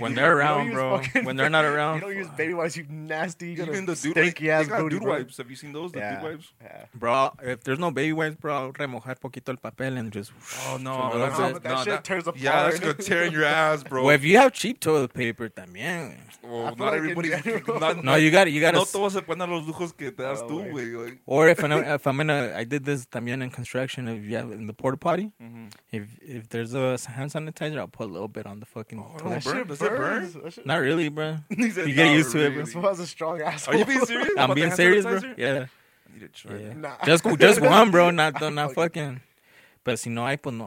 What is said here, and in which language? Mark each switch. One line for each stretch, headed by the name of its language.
English: when they're around, bro. When they're not around. You don't use baby wipes, you nasty. You even the dude, stinky like, ass they got booty, dude wipes. Have you seen those? The yeah. dude wipes? Yeah. Bro, if there's no baby wipes, bro, I'll
Spanish: remojar poquito el papel
English: and just. Oh, no. Bro, no, that, no that shit tears apart. Yeah, that's going to tear in your ass, bro. Well, if you have cheap toilet paper,
Spanish: también.
English: Oh, not like everybody. No, you got it. You got
Spanish: to. No todos se ponen los lujos que te das tú, güey.
English: Or if I'm in a. I did this
Spanish: también
English: in construction. If you have in the porta potty, mm-hmm. if there's a hand sanitizer, I'll put a little bit on the fucking. Oh, toilet. That shit burns. Burn? Should... Not really, bro. You get used really. To it, bro. This was a strong asshole. Are you being serious? I'm being serious, bro. Yeah. I need a try. Yeah. Nah. Just one, bro. Not fucking. But
Spanish: si no hay, pues no.